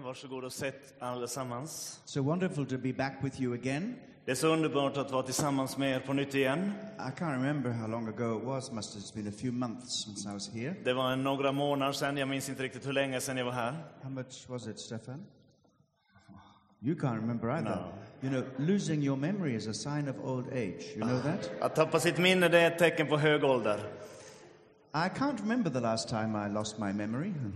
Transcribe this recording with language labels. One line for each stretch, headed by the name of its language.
Swedish: Varsågod och sätt allesammans.
English: So wonderful to be back with you again.
Swedish: Det är så underbart att vara tillsammans med er på nytt igen.
English: I can't remember how long ago it was. Must have been a few months since I was here.
Swedish: Det var några månader sedan. Jag minns inte riktigt hur länge sedan jag var här.
English: How much was it, Stefan? You can't remember either. No. You know, losing your memory is a sign of old age. You know that?
Swedish: Att tappa sitt minne, det är ett tecken på hög ålder.
English: I can't remember the last time I lost my memory.